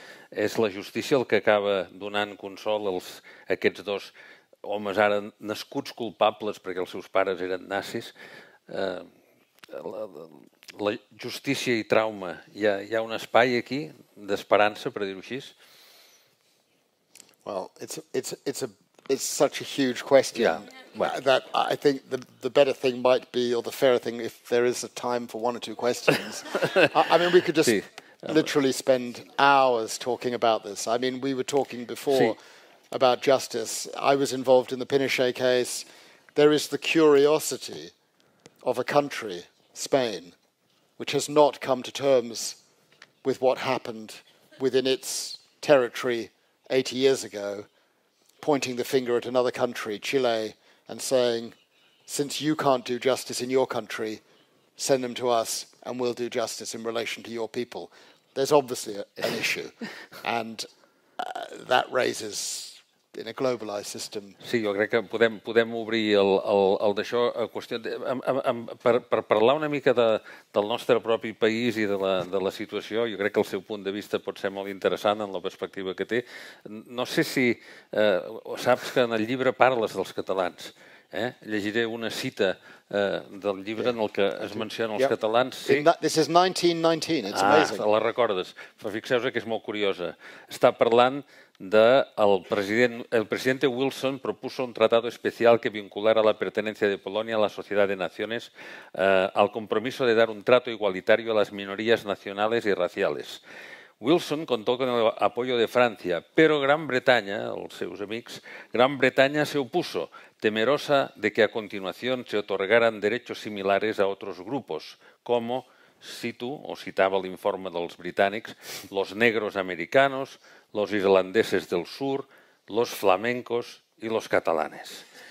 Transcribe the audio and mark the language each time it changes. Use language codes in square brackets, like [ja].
[ca] És la justícia el que acaba donant consol als aquests dos homes ara nascuts culpables perquè els seus pares eren nazis? La justícia i trauma, hi ha un espai aquí d'esperança, per dir-ho així? [en] Well, it's such a huge question. Yeah. Well, that I think the better thing might be, or the fairer thing, if there is a time for one or two questions. I mean, we could just literally spend hours talking about this. I mean, we were talking before about justice. I was involved in the Pinochet case. There is the curiosity of a country, Spain, which has not come to terms with what happened within its territory 80 years ago, pointing the finger at another country, Chile, and saying, since you can't do justice in your country, send them to us and we'll do justice in relation to your people. There's obviously an issue. And that raises, in a globalized system... [ca] Sí, jo crec que podem obrir el d'això a qüestió... Per parlar una mica del nostre propi país i de la situació, jo crec que el seu punt de vista pot ser molt interessant en la perspectiva que té. No sé si saps que en el llibre parles dels catalans. Llegiré una cita del llibre en el que es mencionen els catalans. [en] Sí. This is 1919, it's amazing. [ca] Ah, la recordes. Fixeu-vos que és molt curiosa. Està parlant de [es] el presidente Wilson propuso un tratado especial que vinculara la pertenencia de Polonia a la Sociedad de Naciones al compromiso de dar un trato igualitario a las minorías nacionales y raciales. Wilson contó con el apoyo de Francia, pero Gran Bretaña, los [ca] seus amics, [es] Gran Bretaña se opuso, temerosa de que a continuación se otorgaran derechos similares a otros grupos, como, cito, o citaba el informe de los británicos, los negros americanos, los irlandeses del sur, los flamencos y los catalanes.